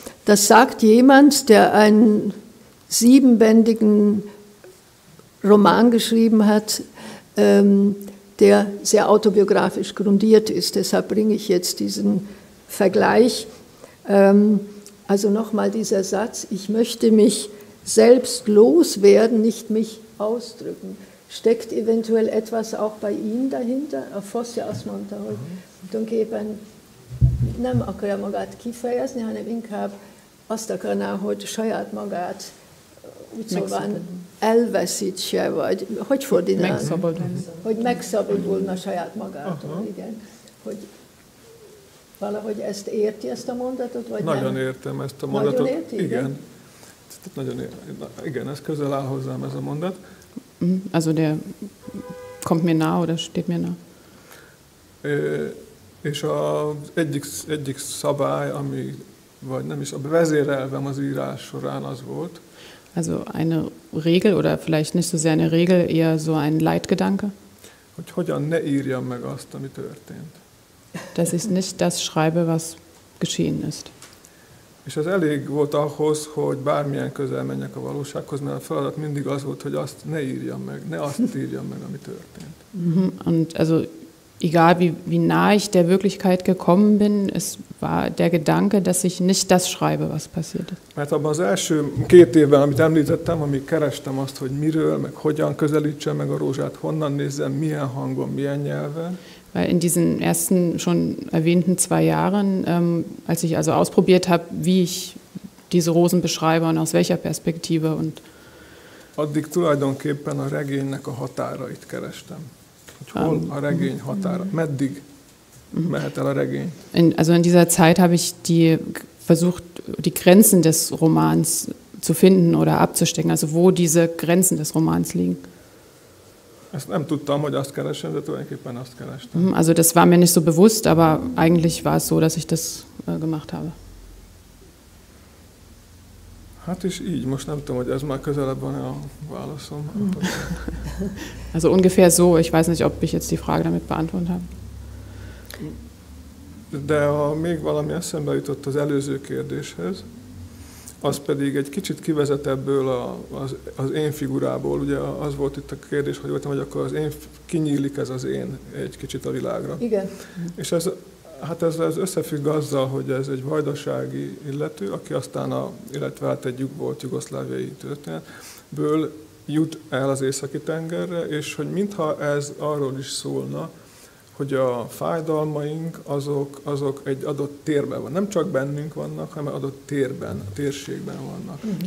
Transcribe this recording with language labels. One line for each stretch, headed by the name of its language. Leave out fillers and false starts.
German: Das sagt jemand, der einen 7-bändigen Roman geschrieben hat, der sehr autobiografisch grundiert ist. Deshalb bringe ich jetzt diesen Vergleich. Also nochmal dieser Satz, ich möchte mich selbst loswerden, nicht mich ausdrücken. Steckt eventuell etwas auch bei Ihnen dahinter? A Fosse aus Montaol.
Hungarian: Donc, eben, nem akarja magát kifejezni, hanem inkább azt akarná, hogy saját magát úgy szóval elveszítse, vagy hogy fordítaná? Megszabadul. Hogy megszabadulna saját magától, igen. Hogy valahogy ezt érti, ezt a mondatot, vagy nagyon nem? Értem ezt a mondatot. Nagyon érti, igen. Nagyon igen, ez közel áll hozzám, ez a mondat.
German: Also der kommt mir nah oder steht mir nah.
Hungarian: És az egyik szabály, ami, vagy nem is, a vezérelvem az írás során az volt.
German: Also eine Regel oder vielleicht nicht so sehr eine Regel, eher so ein Leitgedanke.
Hungarian: Hogy hogyan ne írjam meg azt, ami történt.
German: Dass ich nicht das schreibe, was geschehen ist.
Hungarian: És ez elég volt ahhoz, hogy bármilyen közel menjek a valósághoz, mert a feladat mindig az volt, hogy azt ne írjam meg, ne azt írjam meg, ami történt.
German: Und also egal wie nah ich der Wirklichkeit gekommen bin, es war der Gedanke, dass ich nicht das schreibe, was passiert ist.
Hungarian: Mert abban az első 2 évben, amit említettem, amíg kerestem azt, hogy miről, meg hogyan közelítsem meg a rózsát, honnan nézzem, milyen hangon, milyen nyelven.
German: Weil in diesen ersten schon erwähnten 2 Jahren, als ich also ausprobiert habe, wie ich diese Rosen beschreibe und aus welcher Perspektive und
Hungarian: addig tulajdonképpen a regénynek a határait kerestem. Hol a regény határa? Meddig mehet el a regény?
German: Also in dieser Zeit habe ich versucht, die Grenzen des Romans zu finden oder abzustecken, also wo diese Grenzen des Romans liegen.
Hungarian: Ezt nem tudtam, hogy azt keresem, de tulajdonképpen azt kerestem.
German: Also das war mir nicht so bewusst, aber eigentlich war es so, dass ich das gemacht habe.
Hungarian: Hát is így, most nem tudom, hogy ez már közelebb van a válaszom.
German: Also ungefähr so, ich weiß nicht, ob ich jetzt die Frage damit beantwortet habe.
Hungarian: De még valami eszembe jutott az előző kérdéshez, Az pedig egy kicsit kivezet ebből az én figurából. Ugye az volt itt a kérdés, hogy voltam, hogy akkor az én kinyílik ez az én egy kicsit a világra. Igen. És ez, hát ez összefügg azzal, hogy ez egy vajdasági illető, aki aztán illetve hát egy volt jugoszláviai történetből jut el az Északi-tengerre, és hogy mintha ez arról is szólna, hogy a fájdalmaink azok egy adott térben van. Nem csak bennünk vannak, hanem adott térben, térségben vannak.